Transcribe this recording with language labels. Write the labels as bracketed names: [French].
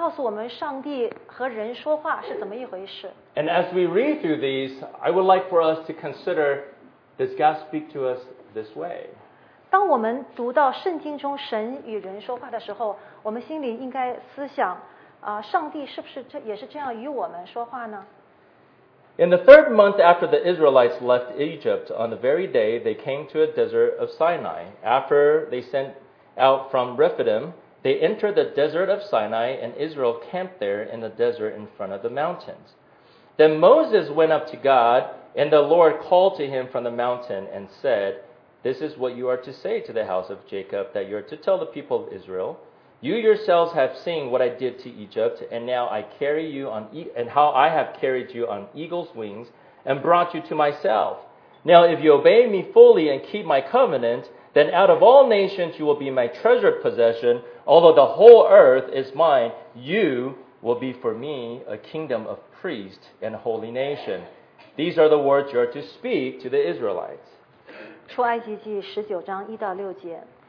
[Chinese] 我们今天会看一些经文，告诉我们上帝和人说话是怎么一回事。 [English] And as we read through these, I would like for us to consider, does God speak to us this way? [Chinese] 当我们读到圣经中神与人说话的时候，我们心里应该思想， 上帝是不是也是这样与我们说话呢? [English] In the third month after the Israelites left Egypt, on the very day they came to a desert of Sinai, after they sent out from Rephidim, they entered the desert of Sinai, and Israel camped there in the desert in front of the mountains. Then Moses went up to God, and the Lord called to him from the mountain and said, This is what you are to say to the house of Jacob, that you are to tell the people of Israel, You yourselves have seen what I did to Egypt, and now I carry you on, and how I have carried you on eagle's wings and brought you to myself. Now if you obey me fully and keep my covenant, then out of all nations you will be my treasured possession. Although the whole earth is mine, you will be for me a kingdom of priests and a holy nation. These are the words you are to speak to the Israelites. [Chinese] 出埃及记十九章一到六节。